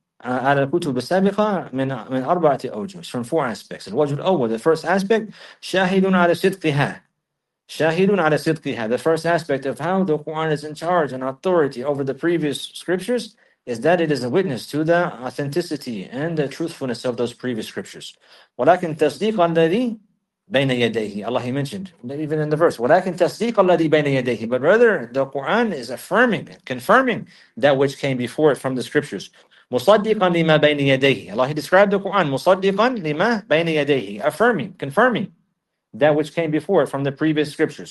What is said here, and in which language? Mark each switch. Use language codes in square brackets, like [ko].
[ar] على الكتب السابقة من أربعة أوجه. [en] It's from four aspects. [ar] الوجه الأول, [en] the first aspect, [ar] شاهد على صدقها. شاهد على صدقها. [en] The first aspect of how the Quran is in charge and authority over the previous scriptures is that it is a witness to the authenticity and the truthfulness of those previous scriptures. [ar] ولكن تصديق الذي بين يديه. [en] Allah, he mentioned, even in the verse, [ar] ولكن تصديق الذي بين يديه. [en] But rather, the Quran is affirming, confirming that which came before it from the scriptures. [ar] مُصَدِّقًا لِمَا بَيْنِ يَدَيْهِ. [en] Allah, he described the Quran, [ar] مُصَدِّقًا لِمَا بَيْنِ يَدَيْهِ. [en] Affirming, confirming that which came before from the previous scriptures.